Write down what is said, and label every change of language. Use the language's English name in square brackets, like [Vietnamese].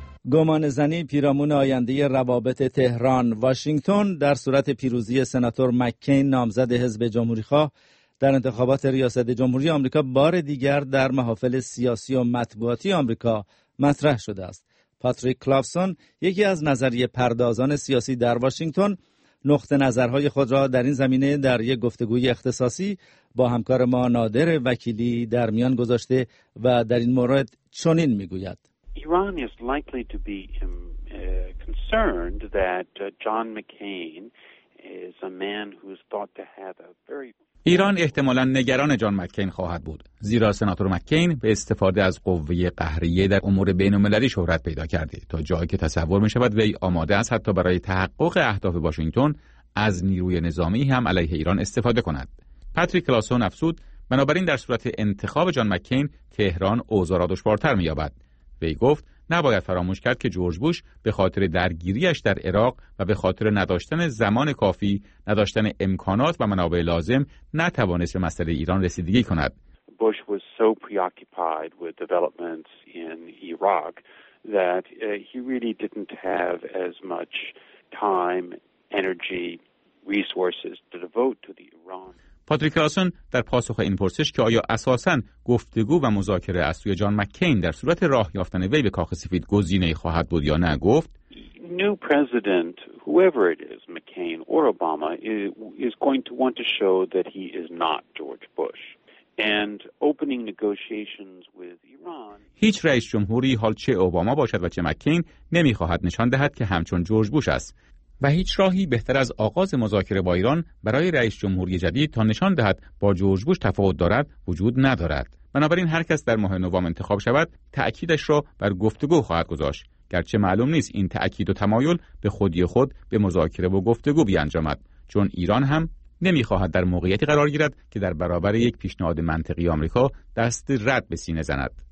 [Persian] گمانه‌زنی پیرامون آینده روابط تهران واشنگتن در صورت پیروزی سناتور مک‌کین نامزد حزب جمهوری‌خواه در انتخابات ریاست جمهوری آمریکا بار دیگر در محافل سیاسی و مطبوعاتی آمریکا مطرح شده است. پاتریک کلافسون، یکی از نظریه پردازان سیاسی در واشنگتن، نقطه نظرهای خود را در این زمینه در یک گفتگوی اختصاصی با همکار ما نادر وکیلی در میان گذاشته و در این مورد چنین می‌گوید: [English] Iran is likely to be concerned that John McCain is a man who is thought to have a very [Persian] ایران احتمالاً نگران جان مک‌کین خواهد بود، زیرا سناتور مک‌کین به استفاده از قوه قهریه در امور بین‌المللی شهرت پیدا کرده تا جایی که تصور می‌شود وی آماده است حتی برای تحقق اهداف واشنگتن از نیروی نظامی هم علیه ایران استفاده کند. پاتریک کلاسون افسود بنابراین در صورت انتخاب جان مک‌کین تهران اوضاع را دشوارتر می‌یابد. وی گفت نباید فراموش کرد که جورج بوش به خاطر درگیریش در عراق و به خاطر نداشتن زمان کافی، نداشتن امکانات و منابع لازم نتوانست به مسئله ایران رسیدگی کند. [English] Bush was so preoccupied with developments in Iraq that he really didn't have as much time, energy, resources to devote to the Iran. [Persian] پاتریک کلاسون در پاسخ این پرسش که آیا اساساً گفتگو و مذاکره از سوی جان مک‌کین در صورت راه یافتن وی به کاخ سفید گزینه‌ای خواهد بود یا نه، گفت: [English] New president, whoever it is, McCain or Obama, is going to want to show that he is not George Bush. And opening negotiations with Iran. [Persian] هیچ رئیس جمهوری، حال چه اوباما باشد و چه مک‌کین، نمی‌خواهد نشان دهد که همچون جورج بوش است. و هیچ راهی بهتر از آغاز مذاکره با ایران برای رئیس جمهوری جدید تا نشان دهد با جورج بوش تفاوت دارد وجود ندارد. بنابراین هر کس در ماه نوامبر انتخاب شود تأکیدش را بر گفتگو خواهد گذاشت، گرچه معلوم نیست این تأکید و تمایل به خودی خود به مذاکره و گفتگو بیانجامد، چون ایران هم نمیخواهد در موقعیتی قرار گیرد که در برابر یک پیشنهاد منطقی آمریکا دست رد به سینه زند.